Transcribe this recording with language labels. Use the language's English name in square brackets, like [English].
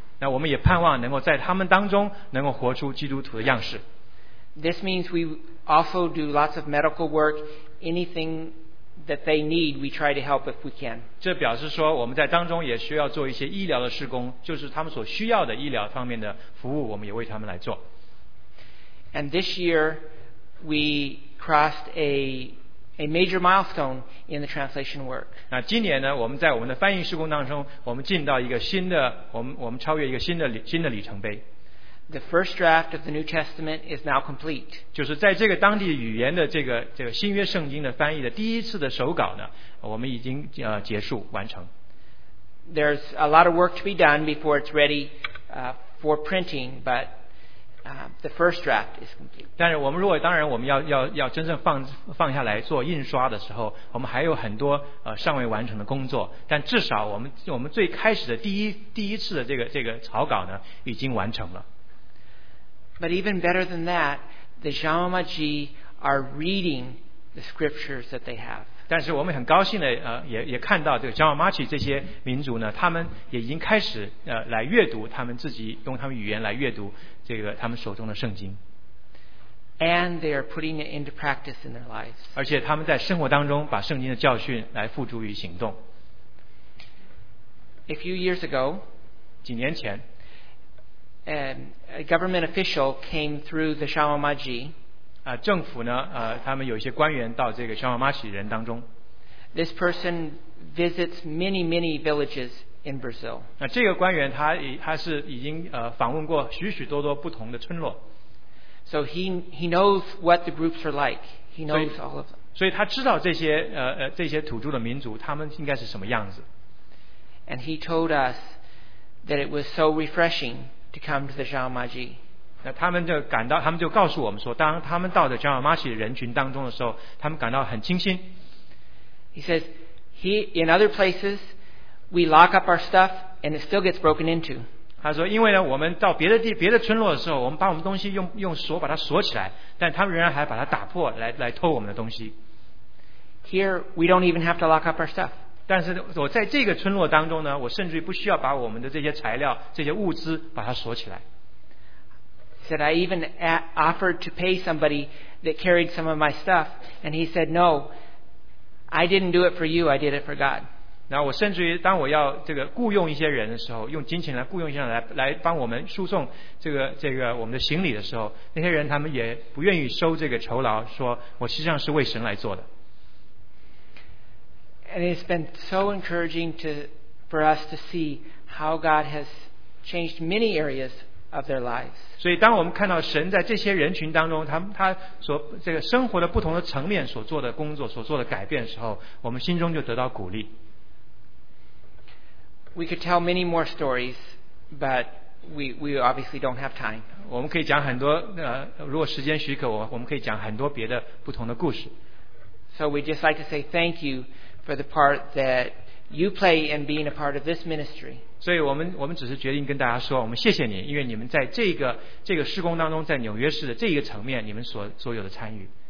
[Chinese] 那我们也盼望能够在他们当中能够活出基督徒的样式。 [English] This means we also do lots of medical work. Anything that they need, we try to help if we can. [Chinese] 这表示说我们在当中也需要做一些医疗的事工，就是他们所需要的医疗方面的服务，我们也为他们来做。 [English] And this year, we crossed a major milestone in the translation work. [Chinese] 那今年呢，我们在我们的翻译施工当中，我们进到一个新的，我们超越一个新的里程碑。 [English] The first draft of the New Testament is now complete. [Chinese] 就是在这个当地语言的这个新约圣经的翻译的第一次的手稿呢，我们已经结束完成。 [English] There's a lot of work to be done before it's ready for printing, but the first draft is complete. [Chinese] 但是我们如果当然我们要真正放下来做印刷的时候，我们还有很多尚未完成的工作。但至少我们最开始的第一次的这个草稿呢，已经完成了。 [English] But even better than that, the Shamamaji are reading the scriptures that they have. [Chinese] 但是我们很高兴的也看到这个 Shamamaji 这些民族呢，他们也已经开始来阅读，他们自己用他们语言来阅读。这个他们手中的圣经。 [English] And they are putting it into practice in their lives. [Chinese] 而且他们在生活当中把圣经的教训来付诸于行动。 [English] A few years ago, [Chinese] 几年前 [English] a government official came through the Shamamaji. [Chinese] 政府呢他们有一些官员到这个 Shamamaji 人当中。 [English] This person visits many, many villages. In Brazil. [Chinese] 那这个官员他是已经访问过许许多多不同的村落。 [English] So he knows what the groups are like. He knows all of them. [Chinese] 所以他知道这些土著的民族他们应该是什么样子。 [English] And he told us that it was so refreshing to come to the Shamamaji. [Chinese] 那他们就告诉我们说，当他们到的 Shamamaji 人群当中的时候，他们感到很清新。 [English] He says he in other places. We lock up our stuff, and it still gets broken into. [Chinese] 他说，因为呢，我们到别的村落的时候，我们把我们东西用锁把它锁起来，但他们仍然还把它打破，来偷我们的东西。 [English] Here, we don't even have to lock up our stuff. [Chinese] 但是我在这个村落当中呢，我甚至于不需要把我们的这些材料、这些物资把它锁起来。 [English] He said, I even offered to pay somebody that carried some of my stuff, and he said, No, I didn't do it for you. I did it for God. [Chinese] 那我甚至于当我要这个雇佣一些人的时候，用金钱来雇佣一些人来帮我们输送这个我们的行李的时候，那些人他们也不愿意收这个酬劳，说我实际上是为神来做的。 [English] And it's been so encouraging to, for us to see how God has changed many areas of their lives. [Chinese] 所以当我们看到神在这些人群当中 他所这个生活的不同的层面所做的工作所做的改变的时候我们心中就得到鼓励。 [English] We could tell many more stories, but we obviously don't have time. [Chinese] 我们可以讲很多、如果时间许可 我们可以讲很多别的不同的故事。 [English] So we'd just like to say thank you for the part that you play in being a part of this ministry. [Chinese] 所以我们只是决定跟大家说我们谢谢你因为你们在这个事工当中在纽约市的这一个层面你们所有的参与。